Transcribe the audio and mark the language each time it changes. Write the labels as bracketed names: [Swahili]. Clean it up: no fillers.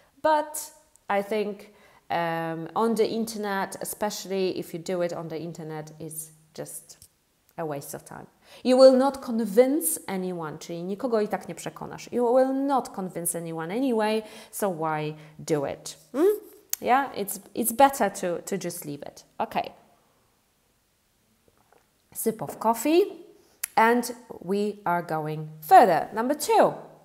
[English] But I think on the internet, especially if you do it on the internet, it's just a waste of time. You will not convince anyone, [Polish] czyli nikogo i tak nie przekonasz. [English] You will not convince anyone anyway, so why do it? Hmm? Yeah, it's better to just leave it. Okay. Sip of coffee. And we are going further. Number two.